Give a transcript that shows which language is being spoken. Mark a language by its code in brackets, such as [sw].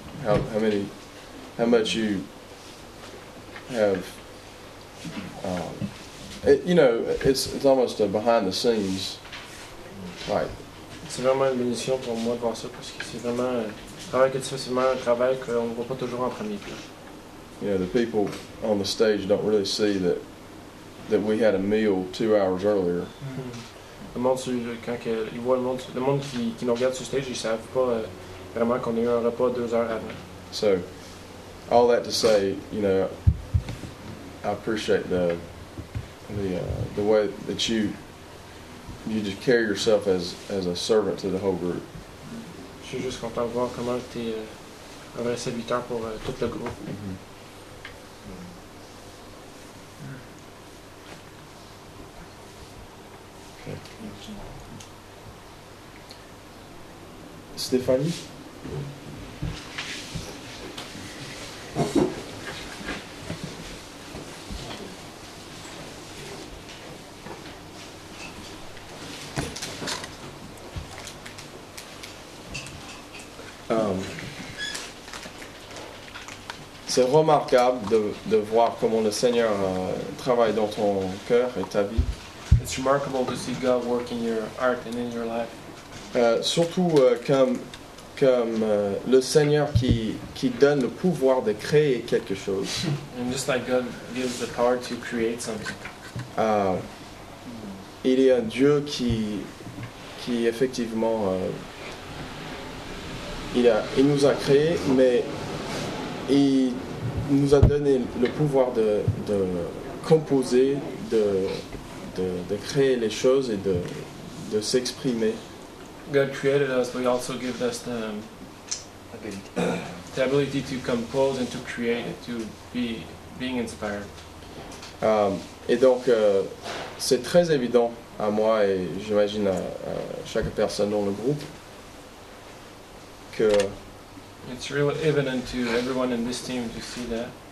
[en] How much you have, you know, it's almost a behind the scenes type. [fr] C'est vraiment une bénédiction pour moi de voir ça parce que c'est vraiment un travail que tu fais, c'est vraiment un travail qu'on voit pas toujours en premier plan. [en] You know, the people on the stage don't really see that we had a meal 2 hours earlier. [fr] Le monde qui nous regarde sur stage, ils savent pas vraiment qu'on a eu un repas 2 heures avant. [en] So. All that to say, you know, I appreciate the way that you just carry yourself as a servant to the whole group. [fr] Je suis juste content de voir comment tu es un vrai serviteur pour tout le groupe. Mm-hmm. Mm-hmm. [en] Okay. Stéphanie? [fr] C'est remarquable de voir comment le Seigneur travaille dans ton cœur et ta vie. [en] It's remarkable to see God work in your heart and in your life. [fr] Surtout comme le Seigneur qui donne le pouvoir de créer quelque chose. [en] And just like God gives the power to create something. [fr] Il y a un Dieu qui effectivement il nous a créé, mais il nous a donné le pouvoir de composer, de créer les choses et de s'exprimer. [en] God created us, but he also gave us the ability to compose and to create and to being inspired. [fr] Et donc, c'est très évident à moi et j'imagine à chaque personne dans le groupe que [en] it's really evident to everyone in this team to see that.